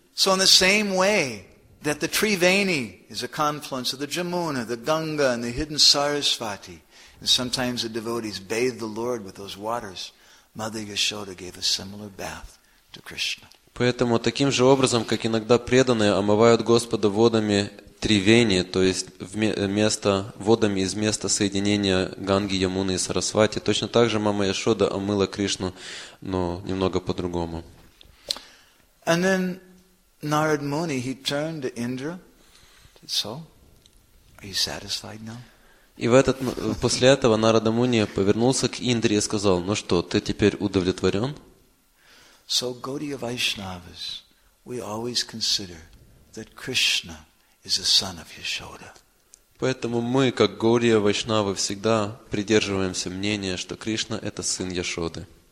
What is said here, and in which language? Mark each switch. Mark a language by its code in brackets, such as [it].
[en] So in the same way that the Triveni is a confluence of the Jamuna, the Ganga, and the hidden Sarasvati, and sometimes the devotees bathe the Lord with those waters, Mother Yashoda gave a similar bath to Krishna. [ru] Поэтому таким же образом, как иногда преданные омывают Господа водами Тривени, то есть место, водами из места соединения Ганги, Ямуны и Сарасвати, точно так же Мама Яшода омыла Кришну, но немного по-другому. [en] And then Narad Muni, he turned to Indra. So, are you satisfied now? [ru] И в этот после этого Нарада Муни повернулся к Индре и сказал: "Ну что, ты теперь удовлетворен?" [en] So, Gaudiya Vaishnavas, we always consider that Krishna is the son of Yashoda. [ru] Поэтому мы, как Гаудия Вайшнавы, всегда придерживаемся мнения, что Кришна это сын Яшоды.